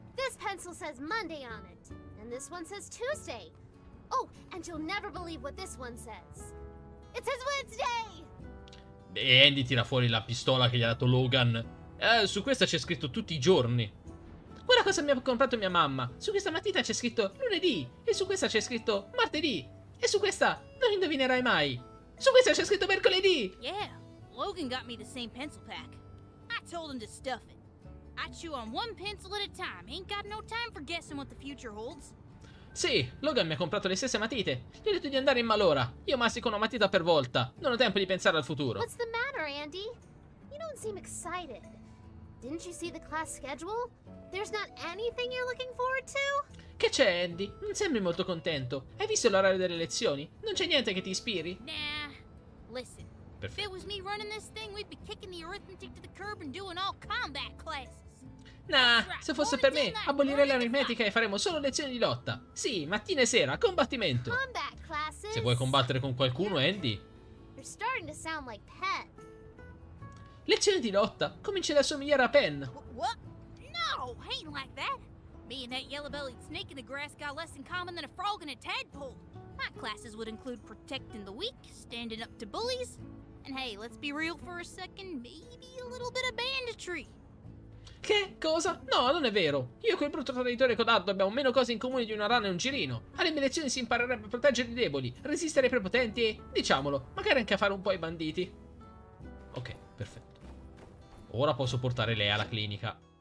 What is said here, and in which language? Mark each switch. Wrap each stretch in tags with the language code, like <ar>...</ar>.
<en>This pencil says Monday on it, and this one says Tuesday. Oh, and you'll never believe what this one says. It says Wednesday!</en> <it>Beh, Andy tira fuori la pistola che gli ha dato Logan. Su questa c'è scritto tutti i giorni. Quella cosa mi ha comprato mia mamma. Su questa matita c'è scritto lunedì, e su questa c'è scritto martedì. E su questa non indovinerai mai. Su questa c'è scritto mercoledì!</it> <en>Yeah, Logan got me the same pencil pack. I told him to stuff it. I chew on one pencil at a time. Ain't got no time for guessing what the future holds.</en> <it>Sì, Logan mi ha comprato le stesse matite. Gli ho detto di andare in malora. Io mastico una matita per volta. Non ho tempo di pensare al futuro.</it> <en>What's the matter, Andy? You don't seem excited. Didn't you see the class schedule? There's not anything you're looking forward to?</en> <it>Che c'è, Andy? Non sembri molto contento. Hai visto l'orario delle lezioni? Non c'è niente che ti ispiri?</it> <en>Nah. Listen. If it was me running this thing, we'd be kicking the arithmetic to the curb and doing all combat classes.</en> <it>Nah, se fosse per me, abolirei l'aritmetica e faremo solo lezioni di lotta. Sì, mattina e sera, combattimento.</it> <en>Combat classes.</en> <it>Se vuoi combattere con qualcuno, Andy.</it> <en>You're starting to sound like Pen.</en> <it>Lezioni di lotta? Cominci ad assomigliare a Pen.</it> <en>What? No, ain't like that. Me and that yellow-bellied snake in the grass got less in common than a frog and a tadpole. My classes would include protecting the weak, standing up to bullies, and hey, let's be real for a second, maybe a little bit of banditry.</en> <it>Che? Cosa? No, non è vero. Io e quel brutto traditore codardo abbiamo meno cose in comune di una rana e un girino. Alle mie lezioni si imparerebbe a proteggere i deboli, resistere ai prepotenti e, diciamolo, magari anche a fare un po' i banditi. Ok, perfetto. Ora posso portare lei alla clinica.</it>